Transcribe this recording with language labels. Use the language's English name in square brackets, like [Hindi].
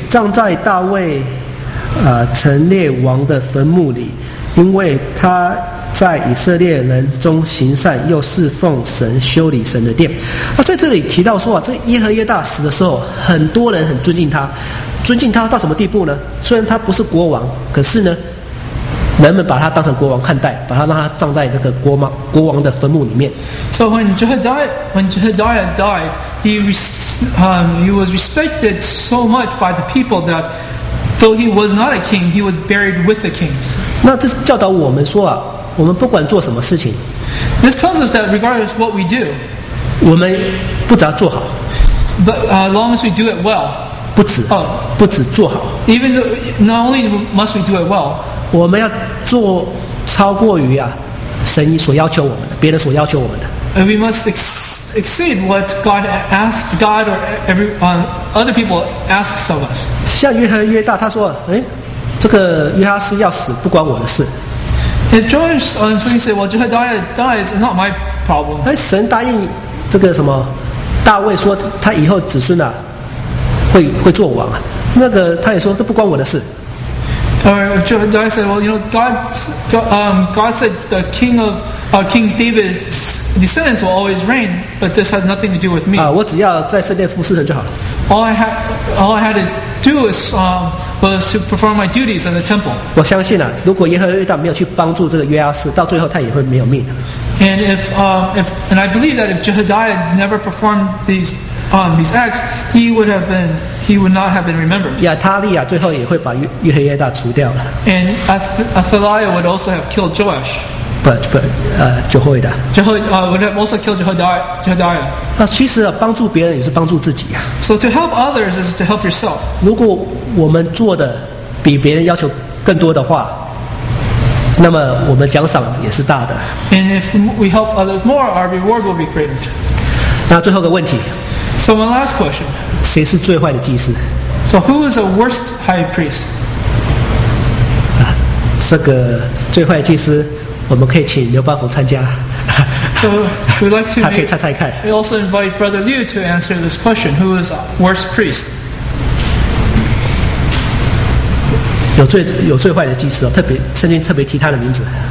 [Chinese] 葬在大卫，陈列王的坟墓里，因为他在以色列人中行善，又侍奉神，修理神的殿。在这里提到说，这耶和耶大死的时候，很多人很尊敬他，尊敬他到什么地步呢？虽然他不是国王，可是呢，人们把他当成国王看待，把他让他葬在那个国王的坟墓里面。 [English] So when Jehadiah died, he was respected so much by the people that though he was not a king, he was buried with the kings. [Chinese] 那这教导我们说啊，我们不管做什么事情， [English] This tells us that regardless of what we do, [Chinese] 我们不只要做好， [English] but as long as we do it well, [Chinese] 不只做好， [English] even though, not only must we do it well, [Chinese] 我们要做超过于神所要求我们的，别人所要求我们的， [English] and we must exceed what God or other people asks of us. [Chinese] 像约和约大他说，这个约哈斯要死不关我的事。 [English] If George suddenly say, "Well, Jehadiah dies," it's not my problem. [Chinese] 神答应这个什么大卫说，他以后子孙会做王那个他也说这不关我的事。 [English] Jehadiah said, "Well, you know, God said the king of King David's descendants will always reign, but this has nothing to do with me." [Chinese] 我只要在圣殿服侍神就好。 [English] All I had to do was to perform my duties in the temple. [Chinese] 我相信如果耶和耶大没有去帮助这个约阿斯，到最后他也会没有命。 [English] And I believe that if Jehadiah never performed these acts, he would not have been remembered. [Chinese] 亚塔利亚最后也会把耶和耶大除掉了。 [English] And Athaliah would also have killed Joash. But Jehoiada. Would have also killed Jehoiada. [Chinese] 其实帮助别人也是帮助自己。 [English] So to help others is to help yourself. [Chinese] 如果我们做的比别人要求更多的话，那么我们奖赏也是大的。 [English] And if we help others more, our reward will be greater. [Chinese] 那最后个问题。 [English] So one last question. [Chinese] 谁是最坏的祭司？ [English] So who is the worst high priest? [Chinese] 这个最坏的祭司，我们可以请刘邦福参加。 [English] So we'd like to. [Chinese] 他可以猜猜看。 [English] We also invite Brother Liu to answer this question. Who is the worst priest? [Chinese] 有最坏的祭司特别圣经特别提他的名字。